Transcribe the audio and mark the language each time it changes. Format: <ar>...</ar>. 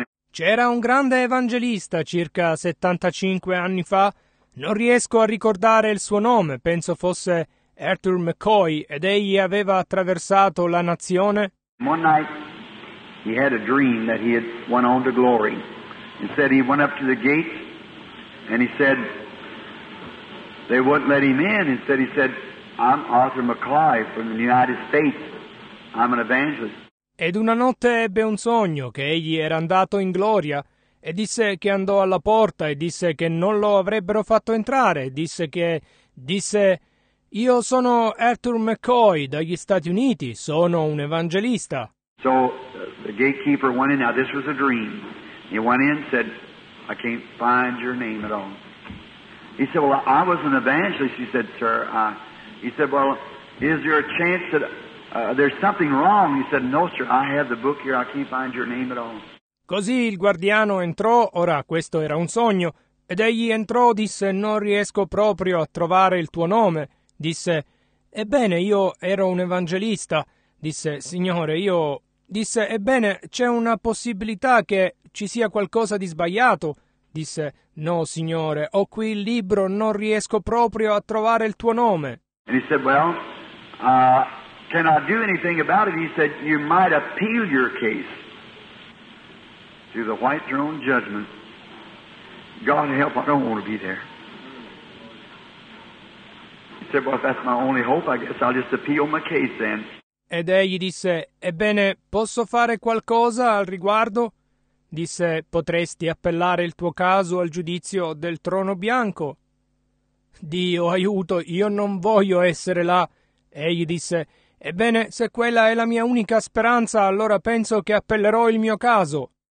<it>C'era un grande evangelista circa 75 anni fa. Non riesco a ricordare il suo nome. Penso fosse Arthur McCoy ed egli aveva attraversato la nazione.</it> <en>One night he had a dream that he had went on to glory. He said he went up to the gate and he said they wouldn't let him in. He said, I'm Arthur McCoy from the United States. I'm an evangelist.</en> <it>Ed una notte ebbe un sogno che egli era andato in gloria e disse che andò alla porta e disse che non lo avrebbero fatto entrare. Disse, io sono Arthur McCoy dagli Stati Uniti, sono un evangelista.</it> <en>So the gatekeeper went in, now this was a dream. He went in and said, I can't find your name at all. He said, well, I was an evangelist. He said, sir, he said, well, is there a chance that... there's something wrong. He said, no, sir, I have the book here. I can't find your name at all.</en> <it>Così il guardiano entrò, ora questo era un sogno, ed egli entrò, disse, non riesco proprio a trovare il tuo nome. Disse, ebbene, io ero un evangelista. Disse, signore, io... Disse, ebbene, c'è una possibilità che ci sia qualcosa di sbagliato. Disse, no, signore, ho qui il libro, non riesco proprio a trovare il tuo nome.</it> <en>And he said, well, can I do anything about it? He said, you might appeal your case to the white throne judgment. God help, I don't want to be there. He said, well, if that's my only hope, I guess I'll just appeal my case then.</en> <it>Ed egli disse, ebbene, posso fare qualcosa al riguardo? Disse, potresti appellare il tuo caso al giudizio del trono bianco? Dio aiuto, io non voglio essere là. Egli disse, ebbene, se quella è la mia unica speranza, allora penso che appellerò il mio caso.</it>